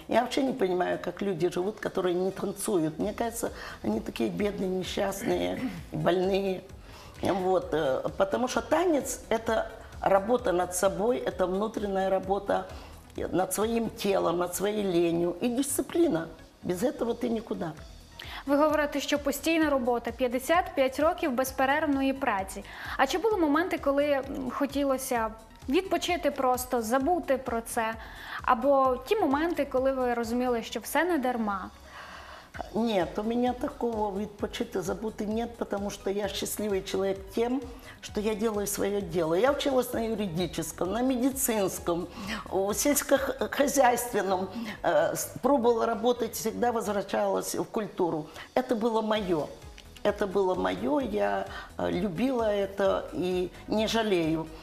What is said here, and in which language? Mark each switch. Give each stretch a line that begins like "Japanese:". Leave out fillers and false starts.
Russian: Я вообще не понимаю, как люди живут, которые не танцуют. Мне кажется, они такие бедные, несчастные, больные. Вот. Потому что танец – это работа над собой, это внутренняя работа над своим телом, над своей ленью и дисциплина. Без этого ты никуда.
Ukrainian: Ви говорите, що постійна робота, 55 років безперервної праці. А чи були моменти, коли хотілося відпочити просто, забути про це? Або ті моменти, коли ви розуміли, що все не дарма? Ні, у мене такого відпочити, забути немає, тому що я щасливий чоловік тим,
Russian: что я делаю свое дело. Я училась на юридическом, на медицинском, в сельскохозяйственном. Пробовала работать, всегда возвращалась в культуру. Это было мое. Это было мое, я любила это и не жалею.